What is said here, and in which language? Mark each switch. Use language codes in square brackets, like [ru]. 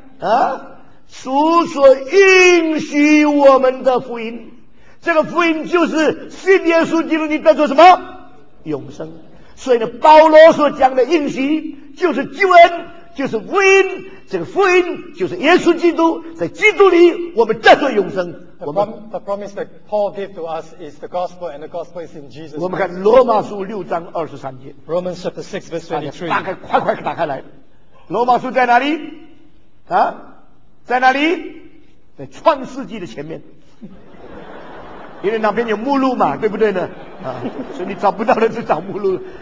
[zh] 啊，主所应许我们的福音，这个福音就是信耶稣基督，你得着什么？永生。所以呢，保罗所讲的应许就是救恩，就是福音。这个福音就是耶稣基督，在基督里我们得着永生。 [en] The promise that Paul gave to us is the gospel, and the gospel is in Jesus. [zh] 我们看罗马书六章二十三节。 [en] Romans chapter 6 verse 23。 [zh] 打开，快快打开来。罗马书在哪里？啊，在哪里？在创世纪的前面。因为那边有目录嘛，对不对呢？啊，所以你找不到的就找目录。